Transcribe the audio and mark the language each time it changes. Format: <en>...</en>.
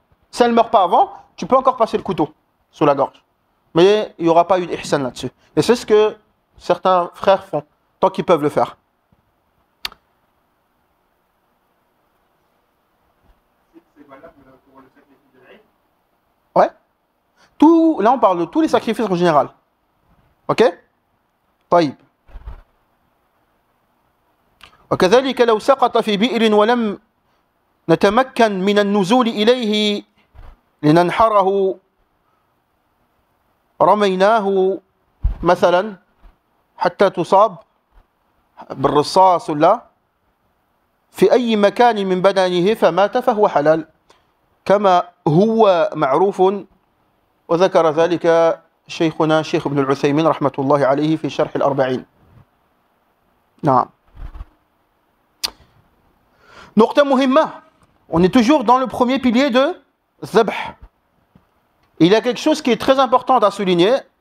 <fr>Si elle ne meurt pas avant, tu peux encore passer le couteau sous la gorge. Mais il n'y aura pas eu d'ihsan là-dessus. Et c'est ce que certains frères font. tant qu'ils peuvent le faire. Tout, là, on parle de tous les sacrifices en général. Ok? Taïb.</fr> <ar>وكذلك لو سقط في بئر ولم نتمكن من النزول إليه لننحره رميناه مثلا حتى تصاب بالرصاص ولا في أي مكان من بدنه فمات فهو حلال كما هو معروف وذكر ذلك شيخنا شيخ ابن العثيمين رحمة الله عليه في شرح الأربعين نعم. Nokta Muhimma,</ar> <fr>on est toujours dans le premier pilier de Zabh. Il y a quelque chose qui est très important à souligner.</fr>